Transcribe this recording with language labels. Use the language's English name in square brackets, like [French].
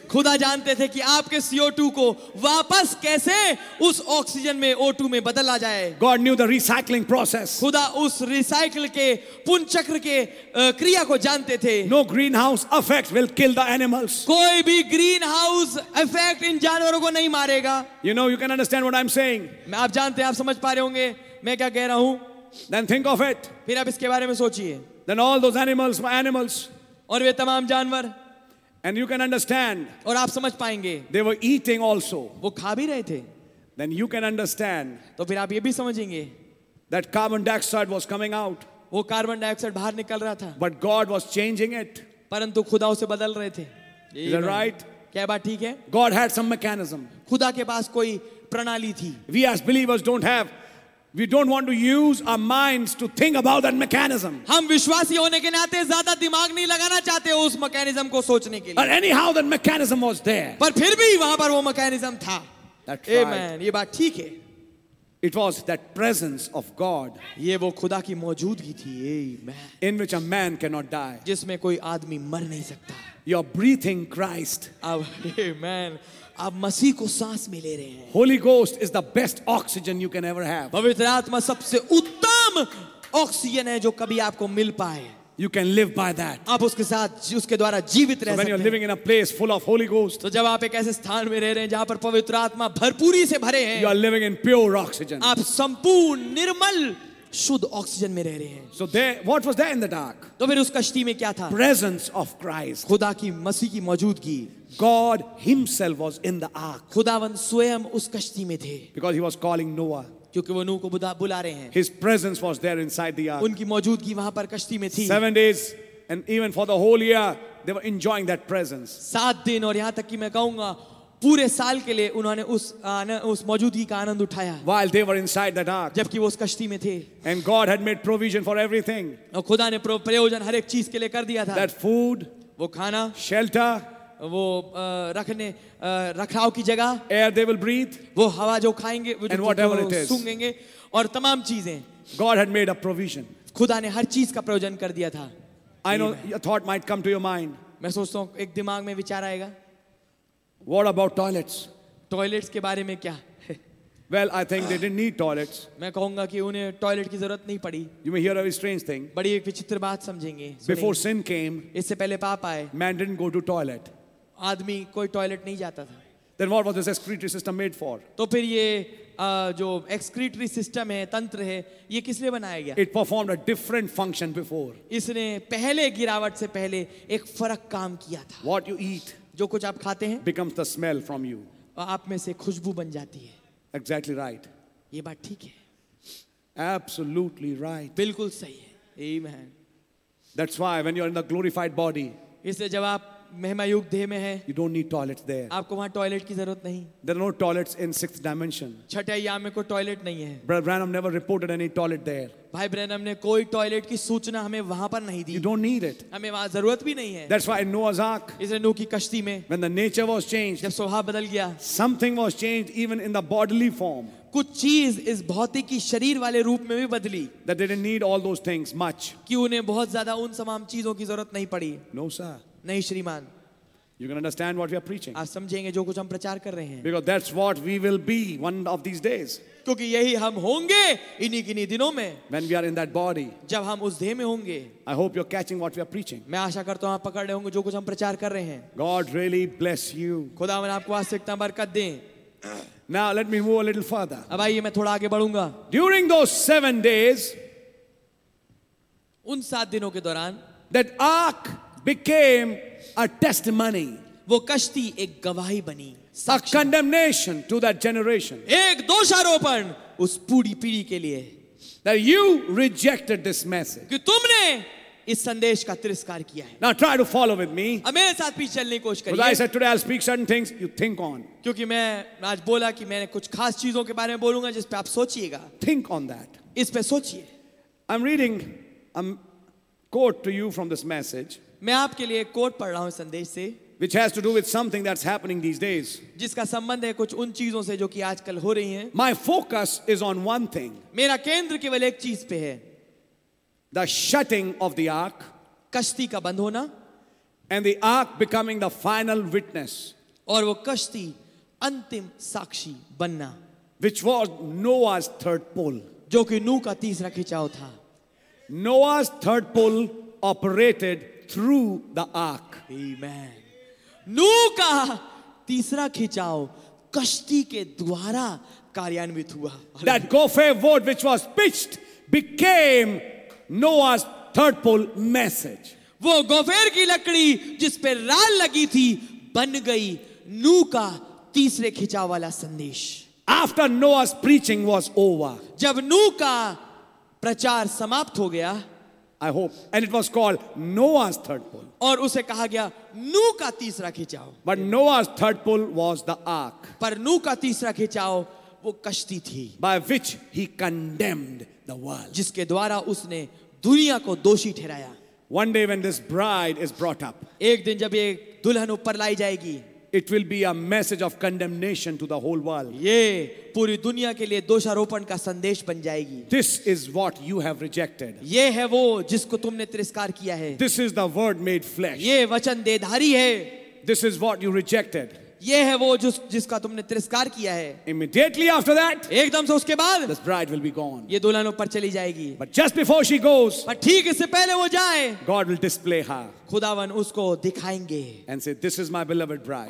[Hindi] खुदा जानते थे कि आपके CO2 को वापस कैसे उस ऑक्सीजन में O2 में बदला जाए. [English] God knew the recycling process. [Hindi] खुदा उस रिसाइकल के पुनचक्र के क्रिया को जानते थे. [English] No greenhouse effect will kill the animals. [Hindi] कोई भी greenhouse effect इन जानवरों को नहीं मारेगा. [English] You know, you can understand what I'm saying. [Hindi] मैं आप जानते हैं, आप समझ पा रहे होंगे मैं क्या कह रहा हूँ. [English] Then think of it. [Hindi] फिर आप इसके बारे में सोचिए. [English] Then all those animals were animals. [Hindi] और वे तमाम जानवर. [English] And you can understand. [Hindi] और आप समझ पाएंगे. [English] They were eating also. [Hindi] वो खा भी रहे थे. [English] Then you can understand. [Hindi] तो फिर आप ये भी समझेंगे. [English] That carbon dioxide was coming out. [Hindi] वो कार्बन डाइऑक्साइड बाहर निकल रहा था. [English] But God was changing it. [Hindi] परंतु खुदा उसे बदल रहे थे. [English] Is that right? [Hindi] क्या बात ठीक है? [English] God had some mechanism. [Hindi] खुदा के पास कोई प्रणाली थी. [English] We as believers don't have. We don't want to use our minds to think about that mechanism. [Hindi] हम विश्वासी होने के नाते ज़्यादा दिमाग नहीं लगाना चाहते उस mechanism को सोचने के लिए. [English] But anyhow, that mechanism was there. [Hindi] पर फिर भी वहाँ पर वो mechanism था. [English] That's right. [Hindi] Amen. ये बात ठीक है. [English] It was that presence of God. [Hindi] ये वो खुदा की मौजूदगी थी. Amen. [English] In which a man cannot die. [Hindi] जिसमें कोई आदमी मर नहीं सकता. [English] You are breathing Christ. Amen. [Hindi] आप मसीह को सांस में ले रहे हैं. [English] Holy Ghost is the best oxygen you can ever have. [Hindi] पवित्र आत्मा सबसे उत्तम ऑक्सीजन है जो कभी आपको मिल पाए. [English] You can live by that. [Hindi] आप उसके साथ, उसके द्वारा जीवित रह सकते हैं. [English] When you're living in a place full of Holy Ghost. [Hindi] तो जब आप एक ऐसे स्थान में रह रहे हैं जहाँ पर पवित्र आत्मा भरपूरी से भरे हैं. [English] You are living in pure oxygen. [Hindi] आप संपूर्ण निर्मल शुद्ध ऑक्सीजन में रह रहे हैं. [English] So there, what was there in the dark? [Hindi] तो फिर उस कश्ती में क्या था? [English] Presence of Christ. [Hindi] खुदा की, मसीह की मौजूदगी. [English] God himself was in the ark. [Hindi] खुदावन स्वयं उस कश्ती में थे. [English] Because he was calling Noah. [Hindi] क्योंकि वो नूह को बुला रहे हैं. [English] His presence was there inside the ark. [Hindi] उनकी मौजूदगी वहां पर कश्ती में थी. [English] 7 days and even for the whole year they were enjoying that presence. [Hindi] 7 दिन और यहां तक कि मैं कहूंगा पूरे साल के लिए उन्होंने उस मौजूदगी का आनंद उठाया. [English] While they were inside the dark. [Hindi] जबकि वो उस कश्ती में थे. [English] And God had made provision for everything. [Hindi] और खुदा ने प्रयोजन हर एक चीज के लिए कर दिया था. [English] That food. [Hindi] वो खाना. [English] Shelter. [Hindi] वो रखने रखाव की जगह. [English] Air they will breathe. [Hindi] वो हवा जो खाएंगे सूंघेंगे और तमाम चीजें. [English] God had made a provision. [Hindi] खुदा ने हर चीज का प्रयोजन कर दिया था. [English] I know your thought might come to your mind. [Hindi] मैं सोचता हूँ एक दिमाग में विचार आएगा. [English] What about toilets? [Hindi] टॉयलेट्स के बारे में क्या? [English] Well, I think they didn't need toilets. [Hindi] मैं कहूंगा कि उन्हें टॉयलेट की जरूरत नहीं पड़ी. [English] You may hear a very strange thing. [Hindi] बड़ी एक विचित्र बात समझेंगे. [English] Before sin came, [Hindi] इससे पहले पाप आए, [English] man didn't go to toilet. [Hindi] आदमी कोई टॉयलेट नहीं जाता था. [English] Then what was this excretory system made for? [Hindi] तो फिर ये जो एक्सक्रीटरी सिस्टम है, तंत्र है, ये किस लिए बनाया गया? [English] It performed a different function before. [Hindi] इसने पहले गिरावट से पहले एक फर्क काम किया था. [English] What you eat? [Hindi] जो कुछ आप खाते हैं [English] becomes the smell from you. [Hindi] आप में से खुशबू बन जाती है. [English] Exactly right. [Hindi] ये बात ठीक है. [English] Absolutely right. [Hindi] बिल्कुल सही है. Amen. [English] That's why when you're in the glorified body. [Hindi] इसलिए जब आप महिमायुक्त देह में हैं. [English] You don't need toilets there. [Hindi] आपको वहाँ टॉयलेट की जरूरत नहीं. [English] There are no toilets in sixth dimension. [Hindi] छठे आयाम में कोई टॉयलेट नहीं है. [English] Brother Branham never reported any toilet there. [Hindi] भाई ब्रैनम ने कोई टॉयलेट की सूचना हमें वहाँ पर नहीं दी. [English] You don't need it. [Hindi] हमें वहाँ जरूरत भी नहीं है. [English] That's why in Noah's ark. [Hindi] इसलिए नूह की कश्ती में. [English] When the nature was changed. [Hindi] जब स्वभाव बदल गया. [English] Something was changed even in the bodily form. [Hindi] कुछ चीज इस भौतिक शरीर वाले रूप में भी बदली. [English] That they didn't need all those things much. [Hindi] कि उन्हें बहुत ज्यादा उन तमाम चीजों की जरूरत नहीं पड़ी. [English] No sir. [Hindi] नहीं श्रीमान. [English] You can understand what we are preaching. [Hindi] आप समझेंगे जो कुछ हम प्रचार कर रहे हैं. [English] Because that's what we will be one of these days. [Hindi] क्योंकि यही हम होंगे इन्हीं की इन्हीं दिनों में. [English] When we are in that body. [Hindi] जब हम उस देह में होंगे. [English] I hope you're catching what we are preaching. [Hindi] मैं आशा करता हूँ आप पकड़ रहे होंगे जो कुछ हम प्रचार कर रहे हैं. [English] God really bless you. [Hindi] खुदा मैंने आपको आशीर्वाद बरकत दे. [English] Now let me move a little further. [Hindi] अब आइए मैं थोड़ा आगे बढ़ूंगा. [English] During those 7 days. [Hindi] उन 7 दिनों के दौरान. [English] That ark became a testimony. [Hindi] वो कश्ती एक गवाही बनी. [English] A condemnation to that generation. [Hindi] एक दोषारोपण उस पूरी पीढ़ी के लिए. [English] That you rejected this message. [Hindi] कि तुमने इस संदेश का तिरस्कार किया है. [English] Now try to follow with me. [Hindi] अब मेरे साथ पीछे चलने की कोशिश करिए. [English] Because I said today I'll speak certain things you think on. [Hindi] क्योंकि मैं आज बोला कि मैंने कुछ खास चीजों के बारे में बोलूंगा जिस पे आप सोचिएगा. [English] Think on that. [Hindi] इस पे सोचिए. [English] I'm reading a quote to you from this message. [Hindi] मैं आपके लिए एक कोट पढ़ रहा हूं संदेश से. [English] Which has to do with something that's happening these days. [Hindi] जिसका संबंध है कुछ उन चीजों से जो कि आजकल हो रही हैं. [English] My focus is on one thing. [Hindi] मेरा केंद्र केवल एक चीज पे है. [English] The shutting of the ark. [Hindi] कश्ती का बंद होना. [English] And the ark becoming the final witness. [Hindi] और वो कश्ती अंतिम साक्षी बनना. [English] Which was Noah's third pole. [Hindi] जो कि नूह का तीसरा खिंचाव था. [English] Noah's third pole operated through the ark. Amen. [Hindi] नूह का तीसरा खिंचाव कश्ती के द्वारा कार्यान्वित हुआ. [English] That gopher wood which was pitched became Noah's third pole message. [Hindi] वो गोफेर की लकड़ी जिस पे राल लगी थी बन गई नूह का तीसरे खिंचाव वाला संदेश. [English] After Noah's preaching was over. [Hindi] जब नूह का प्रचार समाप्त हो गया. [English] I hope. And it was called Noah's third pole. [Hindi] और उसे कहा गया नूह का तीसरा खिंचाव. [English] But Noah's third pole was the ark. [Hindi] पर नूह का तीसरा खिंचाव वो कश्ती थी. [English] By which he condemned the world. [Hindi] जिसके द्वारा उसने दुनिया को दोषी ठहराया. [English] One day when this bride is brought up. [Hindi] एक दिन जब ये दुल्हन ऊपर लाई जाएगी. [English] It will be a message of condemnation to the whole world. [Hindi] ये पूरी दुनिया के लिए दोषारोपण का संदेश बन जाएगी. [English] This is what you have rejected. [Hindi] ये है वो जिसको तुमने तिरस्कार किया है. [English] This is the word made flesh. [Hindi] ये वचन देहधारी है. [English] This is what you rejected. [Hindi] ये है वो जिसका तुमने तिरस्कार किया है. [English] Immediately after that. [Hindi] एकदम से उसके बाद. [English] This bride will be gone. [Hindi] ये दुल्हन ऊपर चली जाएगी. [English] But just before she goes. [Hindi] पर ठीक इससे पहले वो जाए. [English] God will display her. [Hindi] खुदावन उसको दिखाएंगे. [English] And say, this is my beloved bride.